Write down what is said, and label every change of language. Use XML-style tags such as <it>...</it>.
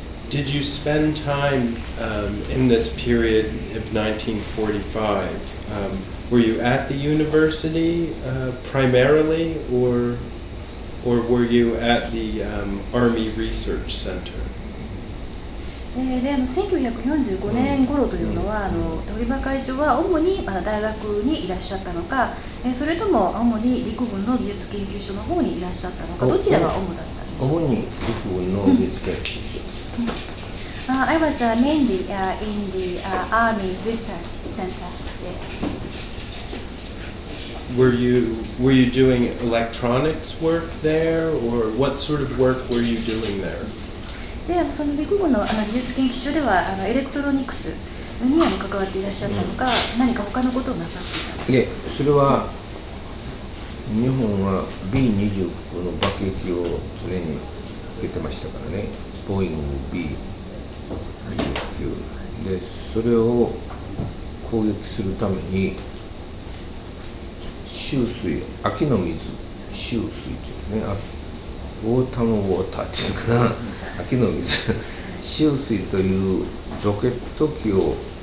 <en>Did you spend time in this period of 1945? Were you at the university primarily, or were you at the Army Research Center?</en> <ja>で1945年頃というのは、堀場会長は主に大学にいらっしゃったのか、それとも主に陸軍の技術研究所の方にいらっしゃったのか、どちらが主だったんでしょうか。主に陸軍の技術研究所。</ja> <en>I was mainly in the Army Research Center there. Were you doing electronics work there, or what sort of work were you doing there?</en> <ja>で、その陸軍の技術研究所ではエレクトロニクスに関わっていらっしゃったのか、何か他のことをなさっていたんですか。それは日本は B-29 の爆撃を常に受けてましたからね、ボーイング B-29 で、それを攻撃するために秋水、秋の水、秋水っていうね、ウォーターのウォーターっていうかな、秋の水、秋水というロケット機を</ja>